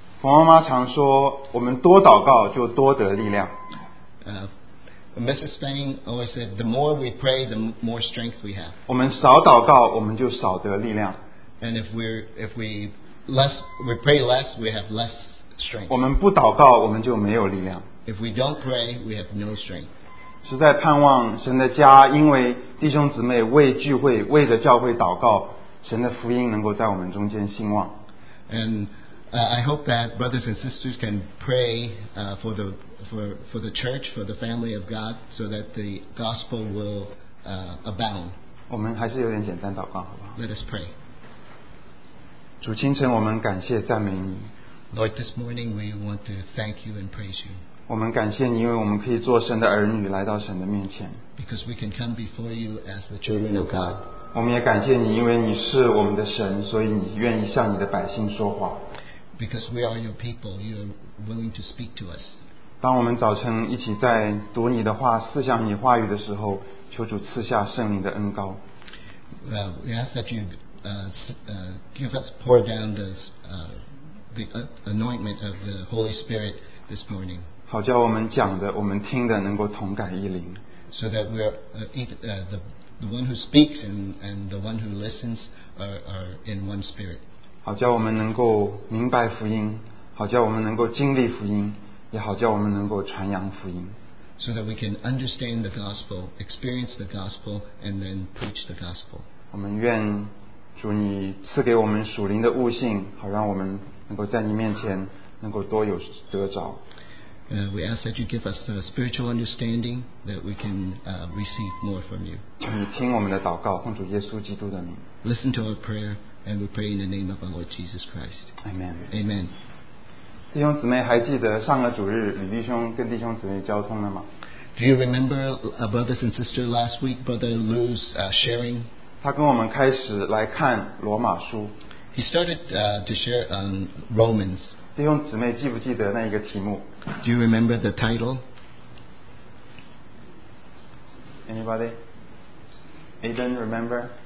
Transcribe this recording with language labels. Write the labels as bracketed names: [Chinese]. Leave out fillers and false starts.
[Chinese] 冯妈妈常说，我们多祷告就多得力量。 [English] Mrs. Spang always said, the more we pray, the more strength we have. [Chinese] 我们少祷告，我们就少得力量。 [English] And if we pray less, we have less strength. [Chinese] 我们不祷告，我们就没有力量。 [English] If we don't pray, we have no strength. [Chinese] 实在盼望神的家，因为弟兄姊妹为聚会、为着教会祷告，神的福音能够在我们中间兴旺。 [English] And I hope that brothers and sisters can pray for the church, for the family of God, so that the gospel will abound. [Chinese] 我们还是有点简单祷告，好不好 [English] ？Let us pray. [Chinese] 主清晨我们感谢赞美你 [English] Lord this morning we want to thank you and praise you [Chinese] 我们感谢你因为我们可以做神的儿女来到神的面前 [English] Because we can come before you as the children of God [Chinese] 我们也感谢你因为你是我们的神所以你愿意向你的百姓说话 [English] Because we are your people you are willing to speak to us [Chinese] 当我们早晨一起在读你的话思想你话语的时候求主赐下圣灵的恩膏 [English] We ask that yougive us pour down the anointment of the Holy Spirit this morning. [Chinese] 好叫我们讲的，我们听的能够同感一灵。 [English] So that we're the one who speaks and the one who listens are in one spirit. [Chinese] 好叫我们能够明白福音，好叫我们能够经历福音，也好叫我们能够传扬福音。 [English] So that we can understand the gospel, experience the gospel, and then preach the gospel. [Chinese] 我们愿。主你赐给我们属灵的悟性好让我们能够在你面前能够多有得着 [English] We ask that you give us the spiritual understanding that we can receive more from you [Chinese] 求你听我们的祷告奉主耶稣基督的名 [English] Listen to our prayer and we pray in the name of our Lord Jesus Christ Amen [Chinese] 弟兄姊妹还记得上个主日李弟兄跟弟兄姊妹交通了吗 [English] Do you remember brothers and sisters last week Brother Lou's sharing [Chinese] 他跟我们开始来看罗马书 [English] He started to share Romans [Chinese] 弟兄姊妹记不记得那一个题目 [English] Do you remember the title? Anybody? Aiden, remember?